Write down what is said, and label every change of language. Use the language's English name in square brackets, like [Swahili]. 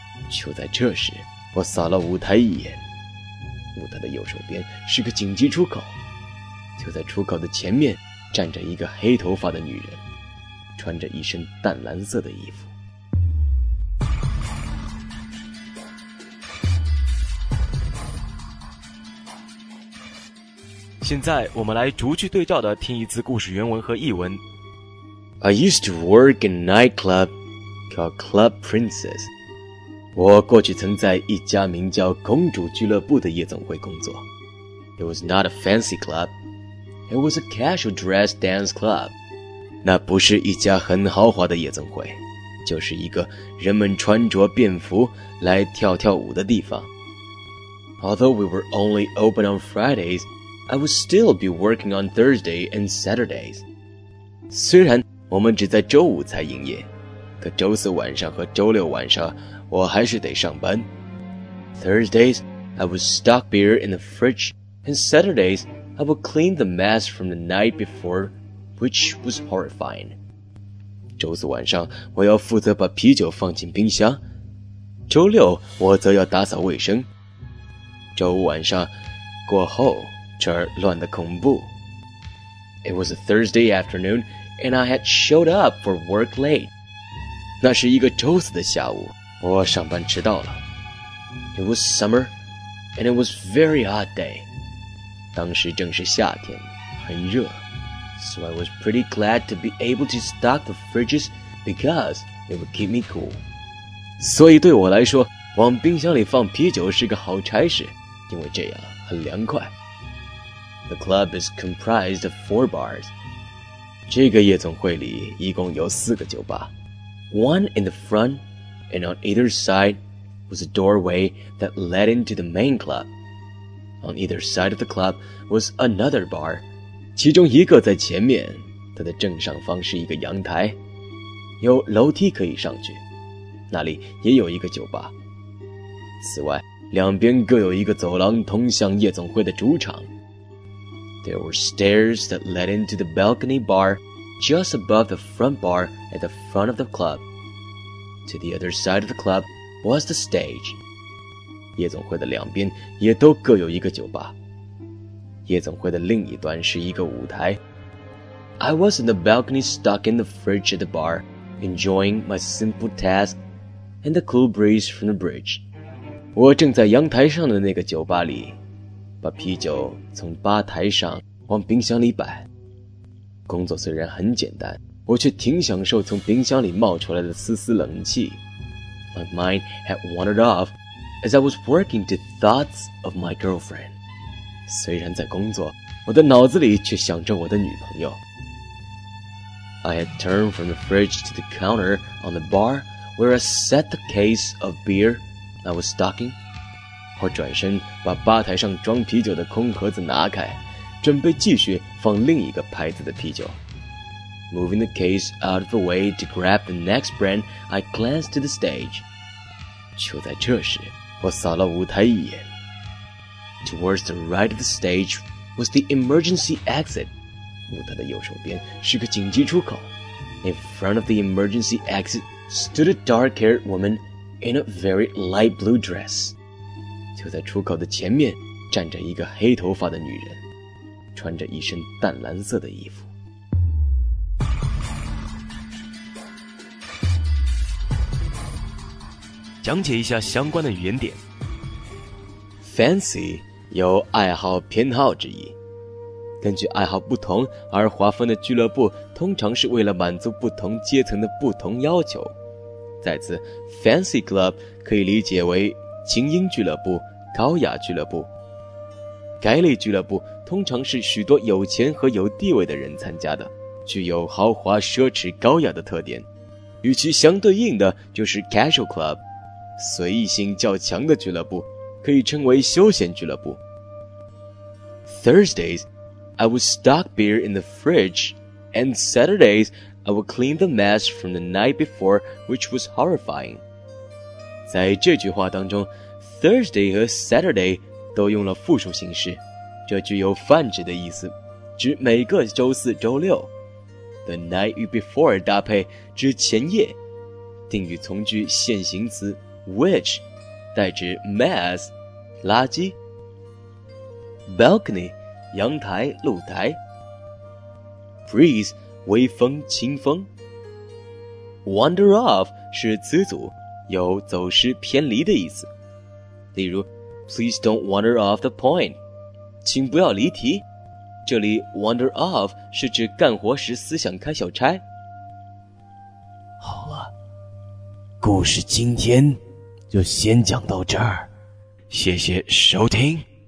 [Chinese] 就在这时，我扫了舞台一眼，舞台的右手边是个紧急出口，就在出口的前面站着一个黑头发的女人，穿着一身淡蓝色的衣服。现在我们来逐句对照的听一次故事原文和译文。 [English] I used to work in a nightclub called Club Princess. [Chinese] 我过去曾在一家名叫公主俱乐部的夜总会工作。 [English] It was not a fancy club. It was a casual dress dance club. [Chinese] 那不是一家很豪华的夜总会，就是一个人们穿着便服来跳跳舞的地方。 [English] Although we were only open on Fridays, I would still be working on Thursday and Saturdays. [Chinese] 虽然我们只在周五才营业，可周四晚上和周六晚上我还是得上班。 [English] Thursdays, I would stock beer in the fridge, and Saturdays, I would clean the mess from the night before, which was horrifying. [Chinese] 周四晚上我要负责把啤酒放进冰箱，周六我则要打扫卫生，周五晚上过后这儿乱得恐怖。 [English] It was a Thursday afternoon, and I had showed up for work late. [Chinese] 那是一个周四的下午，我上班迟到了。 [English] It was summer, and it was a very hot day. [Chinese] 当时正是夏天，很热。 [English] So I was pretty glad to be able to stock the fridges because it would keep me cool. [Chinese] 所以对我来说，往冰箱里放啤酒是个好差事，因为这样很凉快。 [English] The club is comprised of 4 bars. [Chinese] 这个夜总会里一共有四个酒吧。 [English] One in the front, and on either side,was a doorway that led into the main club. On either side of the club was another bar. [Chinese] 其中一个在前面，它的正上方是一个阳台，有楼梯可以上去，那里也有一个酒吧。此外，两边各有一个走廊通向夜总会的主场。 [English] There were stairs that led into the balcony bar just above the front bar at the front of the club. To the other side of the clubWas the stage. [Chinese] 夜总会的两边也都各有一个酒吧。夜总会的另一端是一个舞台。 [English] I was in the balcony stuck in the fridge at the bar, enjoying my simple task and the cool breeze from the bridge. [Chinese] 我正在阳台上的那个酒吧里，把啤酒从吧台上往冰箱里摆。工作虽然很简单，我却挺享受从冰箱里冒出来的丝丝冷气。 [English] My mind had wandered off as I was working to thoughts of my girlfriend. [Chinese] 虽然在工作，我的脑子里却想着我的女朋友。 [English] I had turned from the fridge to the counter on the bar where I set the case of beer I was stocking. [Chinese] 我转身把吧台上装啤酒的空盒子拿开，准备继续放另一个牌子的啤酒。 [English] Moving the case out of the way to grab the next brand, I glanced to the stage. [Chinese] 就在这时，我扫了舞台一眼。 [English] Towards the right of the stage was the emergency exit. [Chinese] 舞台的右手边是个紧急出口。 [English] In front of the emergency exit stood a dark-haired woman in a very light blue dress. [Chinese] 就在出口的前面，站着一个黑头发的女人，穿着一身淡蓝色的衣服。讲解一下相关的语言点。 Fancy 有爱好偏好之意，根据爱好不同而划分的俱乐部通常是为了满足不同阶层的不同要求。在此 Fancy Club 可以理解为精英俱乐部、高雅俱乐部。该类俱乐部通常是许多有钱和有地位的人参加的，具有豪华、奢侈、高雅的特点。与其相对应的就是 Casual Club，随意性较强的俱乐部，可以称为休闲俱乐部。 [English] Thursdays, I would stock beer in the fridge, and Saturdays, I would clean the mess from the night before, which was horrifying. [Chinese] 在这句话当中 ,Thursday 和 Saturday 都用了复数形式，这具有泛指的意思，指每个周四周六。 [English] The night before [Chinese] 搭配指前夜，定语从句现行词Which, 代指 mess, 垃圾。 Balcony, 阳台、露台。 Breeze, 微风、清风。 [English] Wander off, [Chinese] 是辞阻，有走失、偏离的意思。例如 [English] Please don't wander off the point. [Chinese] 请不要离题。这里 wander off 是指干活时思想开小差。好了，故事今天就先讲到这儿，谢谢收听。